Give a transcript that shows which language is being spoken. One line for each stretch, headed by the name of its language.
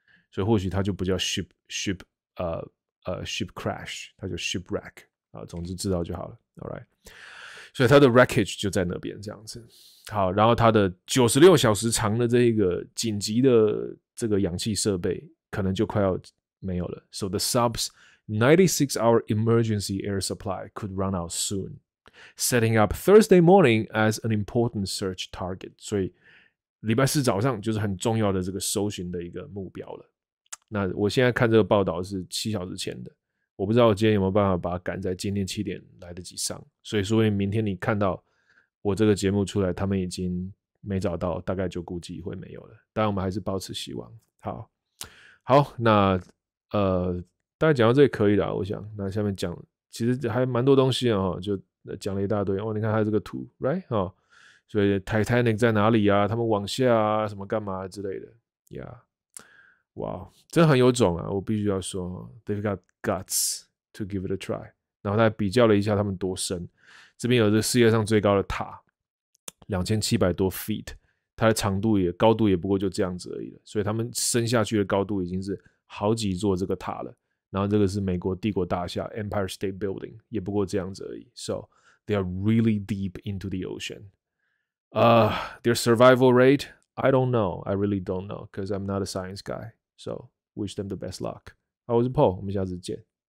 Chinese: 所以或许它就不叫 ship crash， 它叫 shipwreck。啊，总之知道就好了。
English: All right。
Chinese: 所以它的 wreckage 就在那边这样子。好，然后它的96小时长的这一个紧急的这个氧气设备可能就快要没有了。
English: So the sub's 96 hour emergency air supply could run out soon, setting up Thursday morning as an important search target.
Chinese: 所以礼拜四早上就是很重要的这个搜寻的一个目标了。那我现在看这个报道是7小时前的。我不知道我今天有没有办法把它赶在今天七点来得及上，所以说明天你看到我这个节目出来，他们已经没找到，大概就估计会没有了。但我们还是抱持希望。好，好，那大概讲到这里可以了，我想。那下面讲，其实还蛮多东西啊，就讲了一大堆。哦，你看他这个图 ，right 啊，所以 Titanic 在哪里啊？他们往下啊，什么干嘛之类的 ，yeah。哇、wow, 真的很有种啊，我必须要说
English: They've got guts to give it a try。
Chinese: 然后他比较了一下他们多深，这边有这世界上最高的塔，2700多 feet， 它的长度也高度也不过就这样子而已了，所以他们伸下去的高度已经是好几座这个塔了。然后这个是美国帝国大厦 Empire State Building， 也不过这样子而已。
English: So they are really deep into the ocean。 Their survival rate I don't know, I really don't know, because I'm not a science guy. So, wish them the best luck.
Chinese: 好，我是 Paul， 我们下次见。